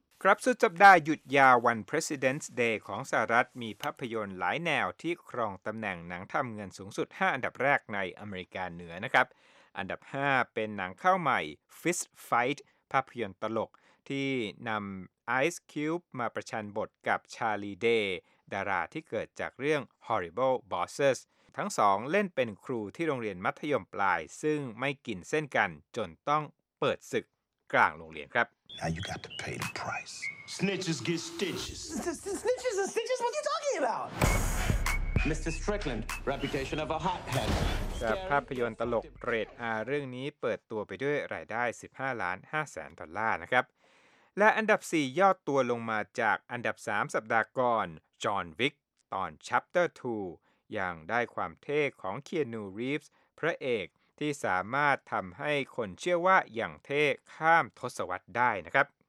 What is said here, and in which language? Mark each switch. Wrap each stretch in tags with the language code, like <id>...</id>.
<th>ครับสุดสัปดาห์หยุดยาววัน President's Day ของสหรัฐมีภาพยนตร์หลายแนวที่ครองตำแหน่งหนังทำเงินสูงสุด5อันดับแรกในอเมริกาเหนือนะครับอันดับ5เป็นหนังเข้าใหม่ Fist Fight ภาพยนตร์ตลกที่นำ Ice Cube มาประชันบทกับ Charlie Day ดาราที่เกิดจากเรื่อง Horrible Bosses ทั้ง2เล่นเป็นครูที่โรงเรียนมัธยมปลายซึ่งไม่กินเส้นกันจนต้องเปิดศึกกลางโรงเรียนครับ</th> <en>Now you got to pay the price. Snitches get stitches. Snitches and stitches? What are you talking about? Mr. Strickland, reputation of a hothead.</en> <th>ภาพยนตร์ตลกเรท R เรื่องนี้เปิดตัวไปด้วยรายได้$15,500,000นะครับและอันดับ4ยอดตัวลงมาจากอันดับ3สัปดาห์ก่อน John Wick ตอน Chapter 2อย่างได้ความเท่ของ Keanu Reeves พระเอกที่สามารถทำให้คนเชื่อว่าอย่างเท่ข้ามทศวรรษได้นะครับ</th>